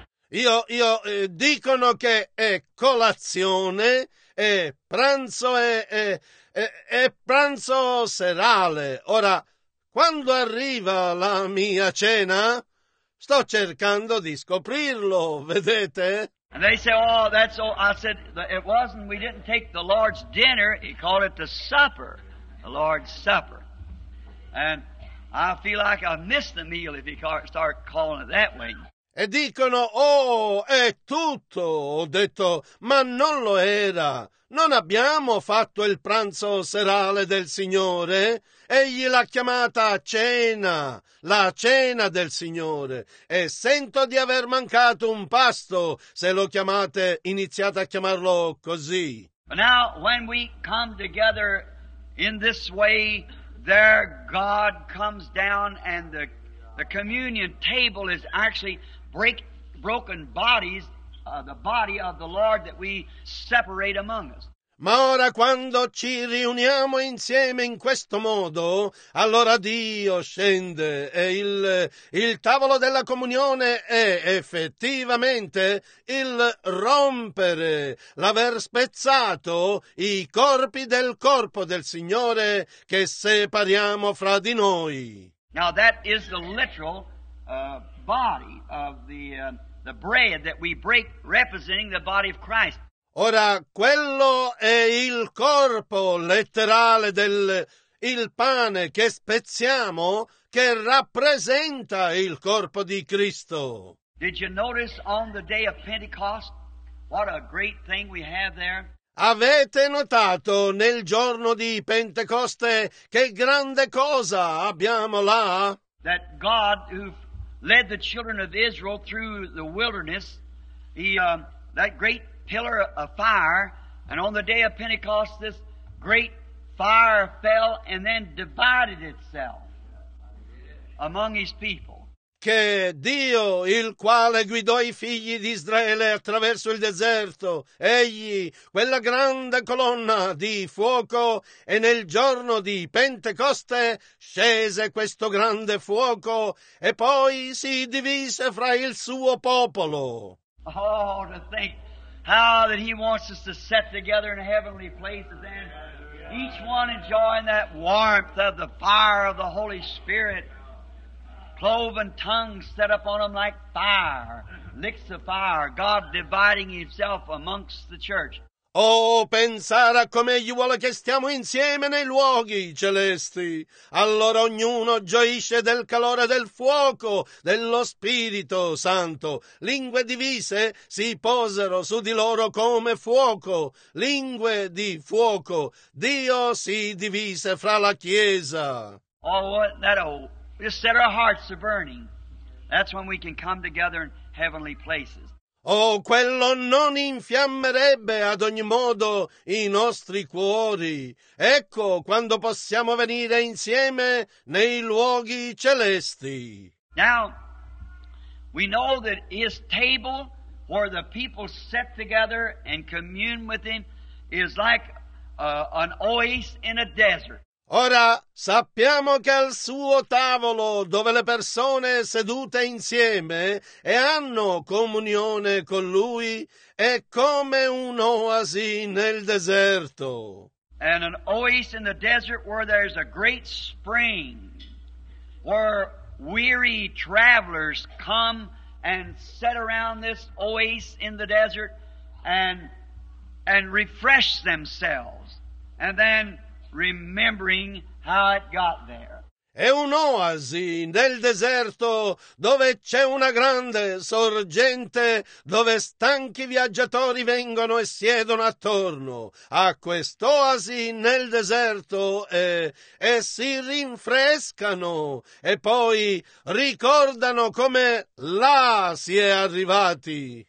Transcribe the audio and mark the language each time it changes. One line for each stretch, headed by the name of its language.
Italian: Io dicono che è colazione e pranzo è pranzo serale. Ora, quando arriva la mia cena, sto cercando di scoprirlo, vedete?
English: And they say, oh, that's all. I said, it wasn't, we didn't take the Lord's dinner, he called it the supper, the Lord's supper. And I feel like I missed the meal if you start calling it that way.
Italian: E dicono, oh, è tutto, ho detto, ma non lo era. Non abbiamo fatto il pranzo serale del Signore. Egli l'ha chiamata cena, la cena del Signore. E sento di aver mancato un pasto se lo chiamate, iniziate a chiamarlo così.
English: But now, when we come together in this way, there God comes down and the communion table is actually broken bodies, the body of the Lord that we separate among us.
Italian: Ma ora quando ci riuniamo insieme in questo modo, allora Dio scende e il tavolo della comunione è effettivamente il rompere, l'aver spezzato i corpi del corpo del Signore che separiamo fra di noi.
English: Now that is the literal body of the bread that we break, representing the body of Christ.
Italian: Ora, quello è il corpo letterale del pane che spezziamo, che rappresenta il corpo di Cristo.
English: Did you notice on the day of Pentecost what a great thing we have there?
Italian: Avete notato nel giorno di Pentecoste che grande cosa abbiamo là?
English: That God who led the children of Israel through the wilderness, that great pillar of fire, and on the day of Pentecost this great fire fell and then divided itself among his people.
Italian: Che Dio, il quale guidò i figli di Israele attraverso il deserto, egli, quella grande colonna di fuoco, e nel giorno di Pentecoste scese questo grande fuoco e poi si divise fra il suo popolo.
English: Oh, to think how that he wants us to set together in heavenly places and each one enjoying that warmth of the fire of the Holy Spirit. Cloven tongues set up on him like fire, licks of fire, God dividing himself amongst the church.
Italian: Oh, pensare a come egli vuole che stiamo insieme nei luoghi celesti. Allora ognuno gioisce del calore del fuoco, dello Spirito Santo. Lingue divise si posero su di loro come fuoco, lingue di fuoco. Dio si divise fra la Chiesa.
English: Oh, wasn't that old? Just set our hearts a-burning. That's when we can come together in heavenly places.
Italian: Oh, quello non infiammerebbe ad ogni modo i nostri cuori. Ecco quando possiamo venire insieme nei luoghi celesti.
English: Now, we know that his table where the people sit together and commune with him is like an oasis in a desert.
Italian: Ora, sappiamo che al suo tavolo, dove le persone sedute insieme e hanno comunione con lui, è come un'oasi nel deserto.
English: And an oasis in the desert where there's a great spring, where weary travelers come and sit around this oasis in the desert and refresh themselves. And then remembering how it got there.
Italian: È un'oasi nel deserto dove c'è una grande sorgente dove stanchi viaggiatori vengono e siedono attorno a quest'oasi nel deserto e si rinfrescano e poi ricordano come là si è arrivati.